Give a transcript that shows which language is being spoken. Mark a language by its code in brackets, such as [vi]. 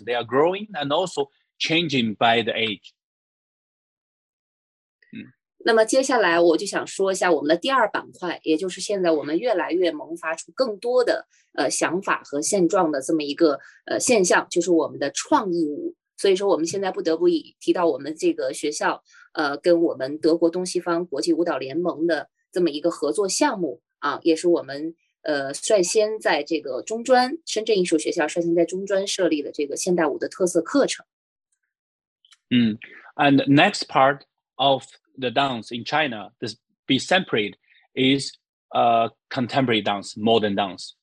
[en] They are growing and also changing by the age. [zh] 那么接下来我就想说一下我们的第二板块，也就是现在我们越来越萌发出更多的想法和现状的这么一个现象，就是我们的创意舞。所以说我们现在不得不以提到我们这个学校跟我们德国东西方国际舞蹈联盟的这么一个合作项目啊，也是我们率先在这个中专深圳艺术学校率先在中专设立的这个现代舞的特色课程。 [en] And next part of the dance in China, this be separate, is contemporary dance, modern dance.